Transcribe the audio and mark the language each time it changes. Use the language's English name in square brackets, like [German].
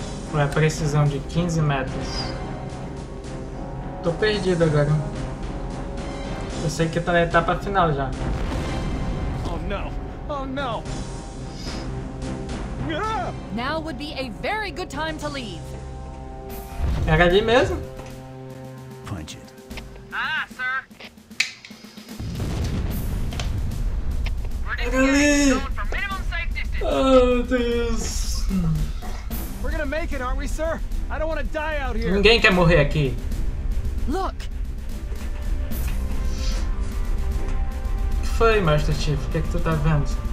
[Portuguese] Qual é a precisão de 15 metros? Tô perdido agora. Eu sei que tá na etapa final já. Oh não! Oh não! [English] Now would be a very good time to leave. [Portuguese] Era ali mesmo? [English] Punch it. Ah, sir! [Portuguese] Era ali! Oh, Deus! [English] We're gonna make it, aren't we, sir? I don't wanna die out here. [Portuguese] Ninguém quer morrer aqui. [English] Look! [Portuguese] Foi, Master Chief, o que, é que tu tá vendo?